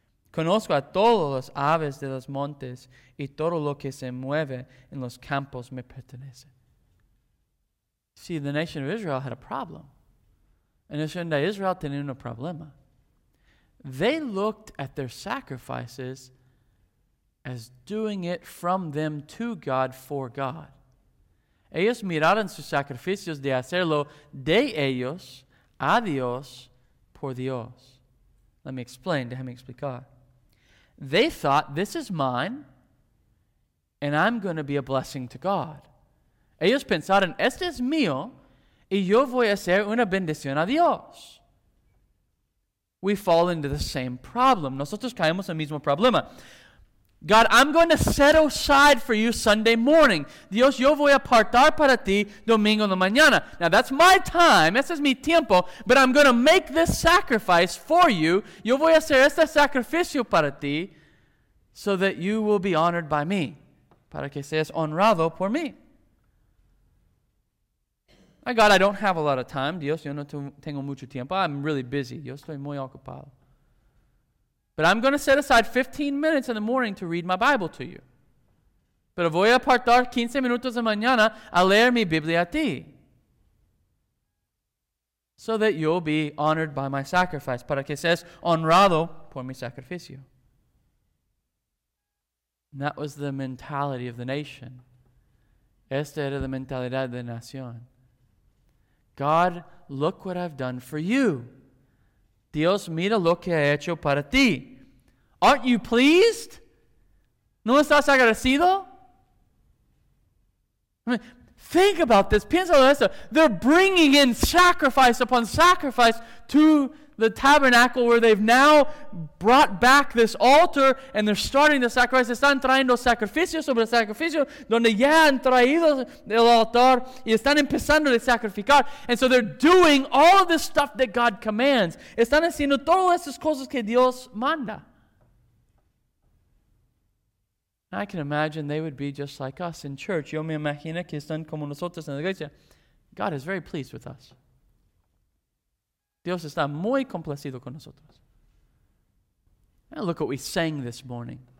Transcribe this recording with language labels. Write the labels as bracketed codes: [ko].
[es] Conozco a todas las aves de los montes y todo lo que se mueve en los campos me pertenece. [en] See, the nation of Israel had a problem. [es] La nación de Israel tenía un problema. [en] They looked at their sacrifices as doing it from them to God for God. [es] Ellos miraron sus sacrificios de hacerlo de ellos a Dios por Dios. [en] Let me explain. [es] Déjame explicar. [en] They thought, this is mine, and I'm going to be a blessing to God. [es] Ellos pensaron, este es mío, y yo voy a ser una bendición a Dios. [en] We fall into the same problem. [es] Nosotros caemos en el mismo problema. [en] God, I'm going to set aside for you Sunday morning. [es] Dios, yo voy a apartar para ti domingo en la mañana. [en] Now, that's my time. [es] Ese es mi tiempo. [en] But I'm going to make this sacrifice for you. [es] Yo voy a hacer este sacrificio para ti [en] so that you will be honored by me. [es] Para que seas honrado por mí. [en] My God, I don't have a lot of time. [es] Dios, yo no tengo mucho tiempo. [en] I'm really busy. [es] Yo estoy muy ocupado. [en] But I'm going to set aside 15 minutes in the morning to read my Bible to you. [es] Pero voy a apartar 15 minutos de mañana a leer mi Biblia a ti. [en] So that you'll be honored by my sacrifice. [es] Para que seas honrado por mi sacrificio. [en] And that was the mentality of the nation. [es] Esta era la mentalidad de la nación. [en] God, look what I've done for you. [es] Dios, mira lo que he hecho para ti. [en] Aren't you pleased? [es] ¿No estás agradecido? [en] I mean, think about this. [es] Piénsalo esto. [en] They're bringing in sacrifice upon sacrifice to the tabernacle where they've now brought back this altar and they're starting the sacrifice. [es] Están trayendo sacrificio sobre sacrificio donde ya han traído el altar y están empezando a sacrificar. [en] And so they're doing all of this stuff that God commands. [es] Están haciendo todas esas cosas que Dios manda. [en] I can imagine they would be just like us in church. [es] Yo me imagino que están como nosotros en la iglesia. [en] God is very pleased with us. [es] Dios está muy complacido con nosotros. [en] And look what we sang this morning.